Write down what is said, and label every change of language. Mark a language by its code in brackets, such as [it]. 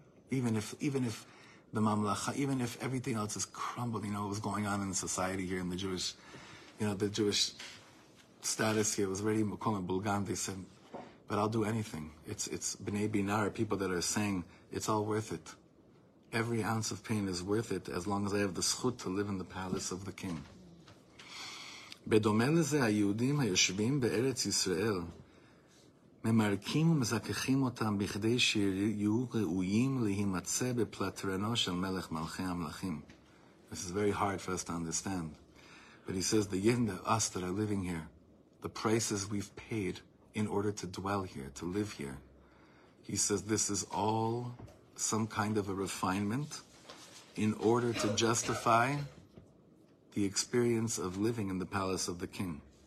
[en] Even if the Mamlacha, even if everything else is crumbled, you know, what was going on in society here in the Jewish, you know, the Jewish status here was already Mekom and Bulgam, they said, but I'll do anything. It's B'nai B'nai, people that are saying, it's all worth it. Every ounce of pain is worth it as long as I have the Zchut to live in the palace of the king. [he] בדומה לזה, היהודים היושבים בארץ ישראל ממרקים ומזכחים אותם בכדי שיהיו ראויים להימצא בפלטרנו של מלך מלכי המלכים. [en] This is very hard for us to understand. But he says, the yin, the us that are living here, the prices we've paid in order to dwell here, to live here, he says this is all some kind of a refinement in order to justify the experience of living in the palace of the king.